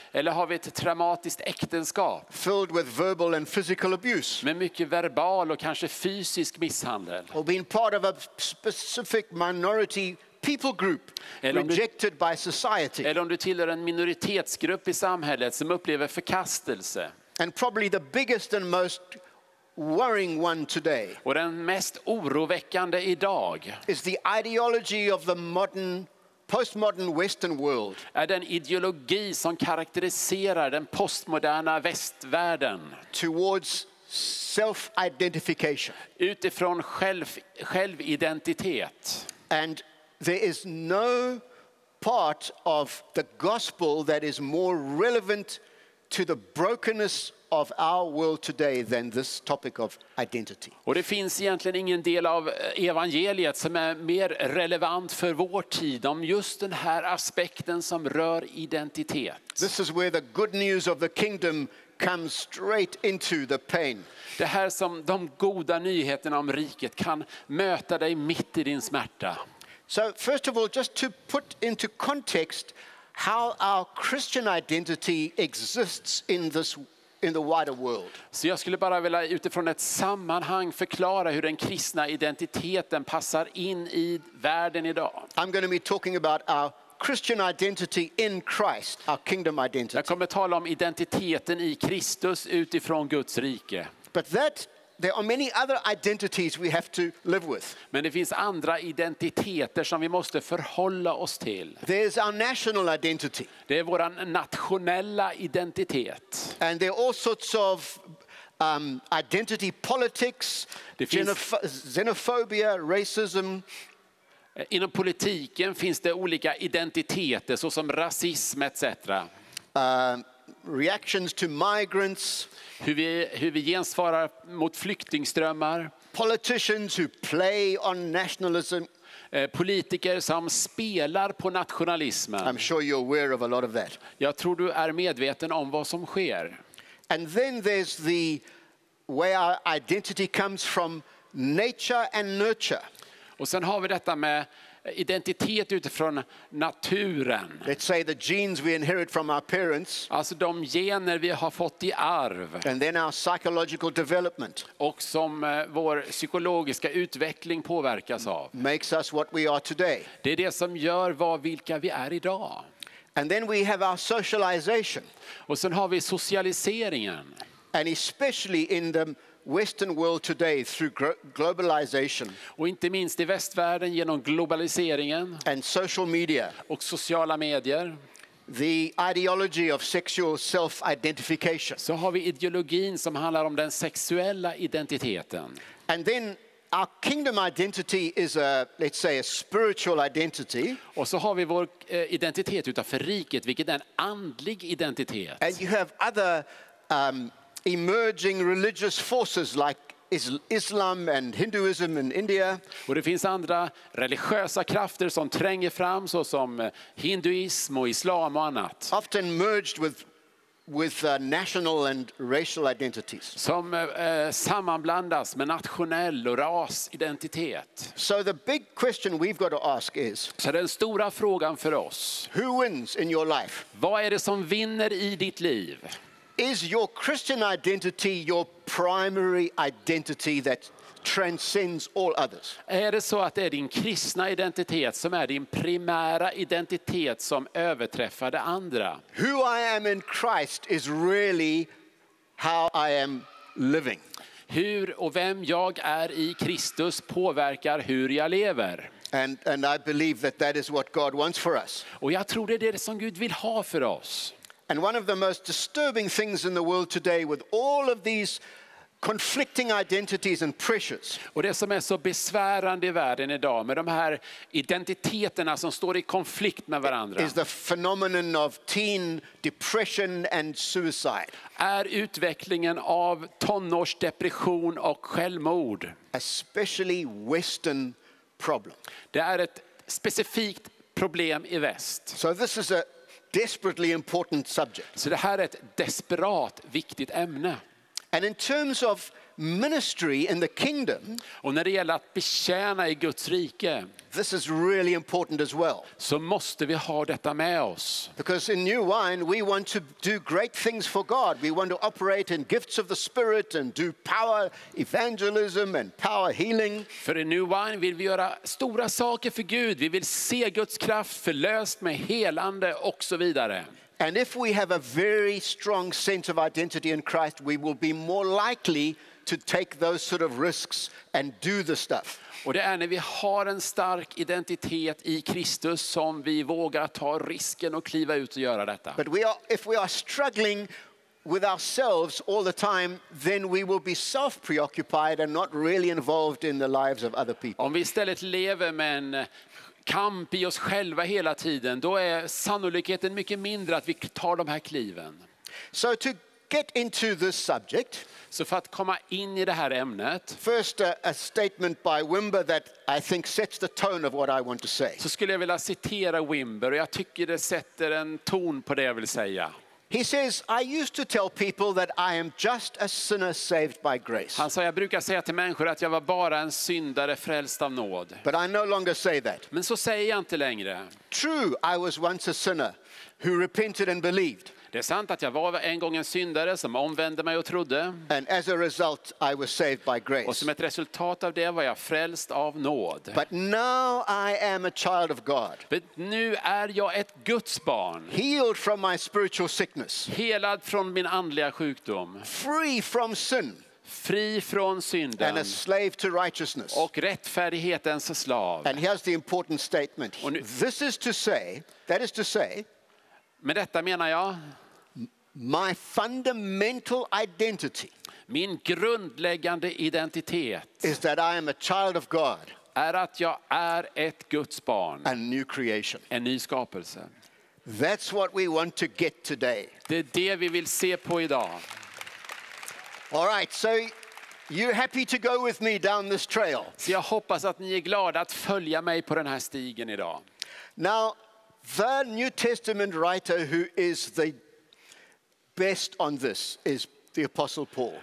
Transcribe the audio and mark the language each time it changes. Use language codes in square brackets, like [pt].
[sv] Eller har vi ett traumatiskt äktenskap. [en] Filled with verbal and physical abuse. [sv] Med mycket verbal och kanske fysisk misshandel. [en] Or being part of a specific minority people group rejected by society. [sv] Eller om du tillhör en minoritetsgrupp i samhället som upplever förkastelse. [en] And probably the biggest and most worrying one today. [sv] Och den mest oroväckande idag [en] is the ideology of the modern postmodern western world. [sv] Är den ideologi som karakteriserar den postmoderna västvärlden [en] towards self-identification. [sv] Utifrån självidentitet. [en] And there is no part of the gospel that is more relevant to the brokenness of our world today than this topic of identity. [sv] Och det finns egentligen ingen del av evangeliet som är mer relevant för vår tid om just den här aspekten som rör identitet. [en] This is where the good news of the kingdom comes straight into the pain. [sv] Det här som de goda nyheterna om riket kan möta dig mitt i din smärta. [en] So first of all, just to put into context how our Christian identity exists in the wider world. [sv] Så jag skulle bara vilja utifrån ett sammanhang förklara hur den kristna identiteten passar in i världen idag. [en] I'm going to be talking about our Christian identity in Christ, our kingdom identity. [sv] Jag kommer tala om identiteten i Kristus utifrån Guds rike. [en] But that there are many other identities we have to live with. [sv] Men det finns andra identiteter som vi måste förhålla oss till. [en] There's our national identity. [sv] Det är vår nationella identitet. [en] And there are all sorts of identity politics, xenophobia, racism. [sv] Inom politiken finns det olika identiteter såsom rasism etc. [en] Reactions to migrants. [sv] Hur vi gensvarar mot flyktingströmmar. [en] politicians who play on nationalism. [sv] Politiker som spelar på nationalismen. [en] I'm sure you're aware of a lot of that. [sv] Jag tror du är medveten om vad som sker. [en] And then there's the where our identity comes from, nature and nurture. [sv] Och sen har vi detta med identitet utifrån naturen. [en] Let's say the genes we inherit from our parents. [sv] Alltså de gener vi har fått i arv. [en] And then our psychological development. [sv] Och som vår psykologiska utveckling påverkas av. [en] Makes us what we are today. [sv] Det är det som gör vad vilka vi är idag. [en] And then we have our socialization. [sv] Och sen har vi socialiseringen. [en] And especially in the Western world today through globalization. [sv] Och inte minst i västvärlden genom globaliseringen. [en] And social media. [sv] Och sociala medier. [en] The ideology of sexual self-identification. [sv] Så har vi ideologin som handlar om den sexuella identiteten. [en] And then our kingdom identity is a, let's say, a spiritual identity. [sv] Och så har vi vår identitet utanför riket, vilket är en andlig identitet. [en] And you have other emerging religious forces like Islam and Hinduism in India. [sv] Och det finns andra religiösa krafter som tränger fram, så som hinduism och islam och annat. [en] Often merged with national and racial identities. [sv] Som sammanblandas med nationell och rasidentitet. [en] So the big question we've got to ask is. [sv] Så den stora frågan för oss. [en] Who wins in your life? [sv] Vad är det som vinner i ditt liv? [en] Is your Christian identity your primary identity that transcends all others? [sv] Är det så att det är din kristna identitet som är din primära identitet som överträffar de andra? [en] Who I am in Christ is really how I am living. [sv] Hur och vem jag är i Kristus påverkar hur jag lever. [en] And I believe that that is what God wants for us. [sv] Och jag tror det är det som Gud vill ha för oss. [en] And one of the most disturbing things in the world today with all of these conflicting identities and pressures. [sv] Och det som är så besvärande i världen idag med de här identiteterna som står i konflikt med varandra. [en] Is the phenomenon of teen depression and suicide. [sv] Är utvecklingen av tonårsdepression och självmord. [en] Especially Western problem. [sv] Det är ett specifikt problem i väst. [en] So this is a desperately important subject. [sv] Så det här är ett desperat viktigt ämne. [en] And in terms of ministry in the kingdom, [sv] och när det gäller att betjäna i Guds rike, [en] this is really important as well. [sv] Så måste vi ha detta med oss. [en] Because in New Wine we want to do great things for God. We want to operate in gifts of the Spirit and do power evangelism and power healing. [sv] För i New Wine vill vi göra stora saker för Gud. Vi vill se Guds kraft förlöst med helande och så vidare. [en] And if we have a very strong sense of identity in Christ, we will be more likely to take those sort of risks and do the stuff. [sv] Och det är när vi har en stark identitet i Kristus som vi vågar ta risken och kliva ut och göra detta. [en] But if we are struggling with ourselves all the time, then we will be self-preoccupied and not really involved in the lives of other people. [sv] Om vi istället lever med en kamp i oss själva hela tiden, då är sannolikheten mycket mindre att vi tar de här kliven. [en] So to get into this subject. [sv] Så för att komma in i det här ämnet. [en] First a statement by Wimber that I think sets the tone of what I want to say. [sv] Så skulle jag vilja citera Wimber, och jag tycker det sätter en ton på det jag vill säga. [en] He says, I used to tell people that I am just a sinner saved by grace. [sv] Han sa, jag brukar säga till människor att jag var bara en syndare frälst av nåd. [en] But I no longer say that. [sv] Men så säger jag inte längre. [en] True, I was once a sinner who repented and believed. [sv] Det är sant att jag var en gång en syndare som omvände mig och trodde. [en] And as a result, I was saved by grace. [sv] Och som ett resultat av det var jag frälst av nåd. [en] But now I am a child of God. [sv] Men nu är jag ett Guds barn. [en] Healed from my spiritual sickness. [sv] Helad från min andliga sjukdom. [en] Free from sin. [sv] Fri från synden. [en] And a slave to righteousness. [sv] Och rättfärdighetens slav. [en] And here's the important statement. Nu, that is to say. [sv] Med detta menar jag [en] my fundamental identity. [sv] Min grundläggande identitet [en] is that I am a child of God. [sv] Är att jag är ett Guds barn. [en] A new creation. [sv] En ny skapelse. [en] That's what we want to get today. [sv] Det är det vi vill se på idag. [en] All right, so You're happy to go with me down this trail. [sv] Så jag hoppas att ni är glada att följa mig på den här stigen idag. [en] Now, the New Testament writer who is the best on this is the Apostle Paul.